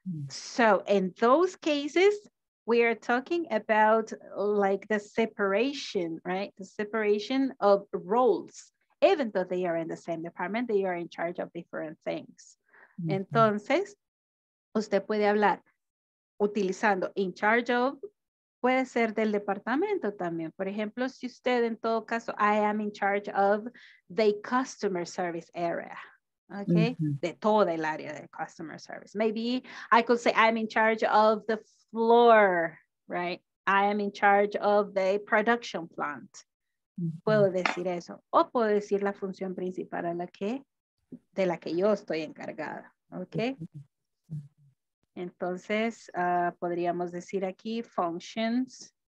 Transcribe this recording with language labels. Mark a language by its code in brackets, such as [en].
[en] So in those cases, we are talking about like the separation, right? The separation of roles. Even though they are in the same department, they are in charge of different things. [es] Entonces, usted puede hablar utilizando [en] in charge of. [es] Puede ser del departamento también. Por ejemplo, si usted en todo caso, [en] I am in charge of the customer service area. [es] Okay? De toda el área de customer service. [en] Maybe I could say I'm in charge of the floor, right? I am in charge of the production plant. [es] Puedo decir eso. O puedo decir la función principal a la que, de la que yo estoy encargada. Okay? Entonces, podríamos decir aquí functions.